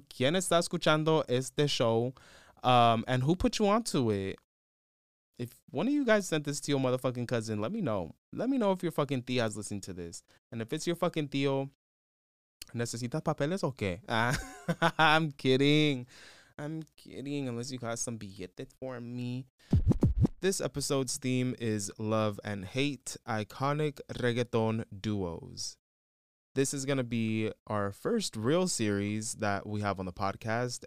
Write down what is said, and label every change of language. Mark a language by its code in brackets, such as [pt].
[es] ¿Quién está escuchando este show? [en] And who put you onto it? If one of you guys sent this to your motherfucking cousin, let me know. Let me know if your fucking tía is listening to this. And if it's your fucking tío, [es] ¿necesitas papeles o qué? [en] I'm kidding. Unless you got some billete for me. This episode's theme is love and hate, iconic reggaeton duos. This is going to be our first real series that we have on the podcast.